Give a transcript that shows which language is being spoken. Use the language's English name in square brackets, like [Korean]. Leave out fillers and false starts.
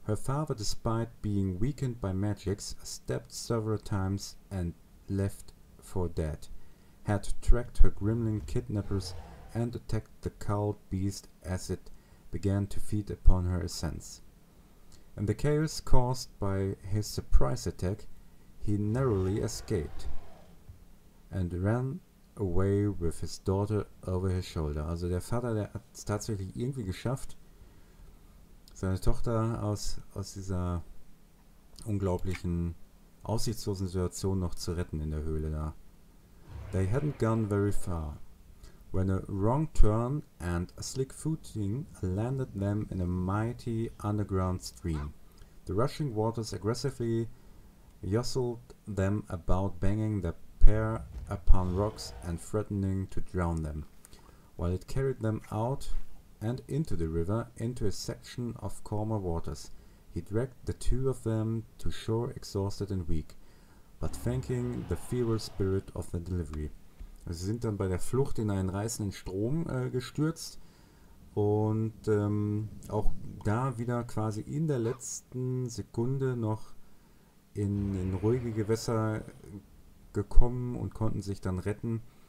[English] Her father, despite being weakened by magics, stepped several times and left for dead, had tracked her gremlin kidnappers and attacked the cowled beast as it began to feed upon her essence. In the chaos caused by his surprise attack, he narrowly escaped and ran away with his daughter over his shoulder. [German] Also der Vater, der hat es tatsächlich irgendwie geschafft, seine Tochter aus dieser unglaublichen, aussichtslosen Situation noch zu retten in der Höhle da. [English] They hadn't gone very far, when a wrong turn and a slick footing landed them in a mighty underground stream. The rushing waters aggressively jostled them about, banging their pair upon rocks and threatening to drown them, while it carried them out and into the river, into a section of calmer waters. He dragged the two of them to shore exhausted and weak, but thanking the feral spirit of the delivery. [German] Sie sind dann bei der Flucht in einen reißenden Strom gestürzt und auch da wieder quasi in der letzten Sekunde noch in ruhige Gewässer gekommen und konnten sich dann retten.